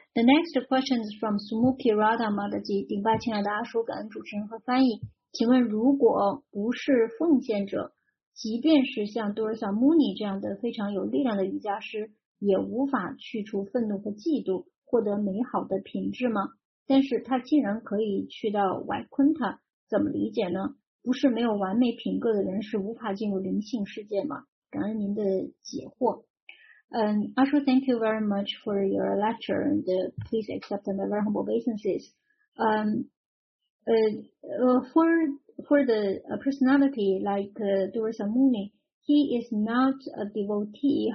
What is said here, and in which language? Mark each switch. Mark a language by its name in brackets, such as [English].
[English] The next question is from Sumukhi Radha Madhaji. [Chinese] 顶拜亲爱的阿叔，感恩主持人和翻译。请问如果不是奉献者，即便是像多尔萨穆尼这样的非常有力量的瑜伽师，也无法去除愤怒和嫉妒，获得美好的品质吗？但是他竟然可以去到瓦昆塔，怎么理解呢？不是没有完美品格的人是无法进入灵性世界吗？感恩您的解惑。 [English] Ashu, thank you very much for your lecture and please accept my very humble obeisances. For the personality like Durasa Muni, he is not a devotee.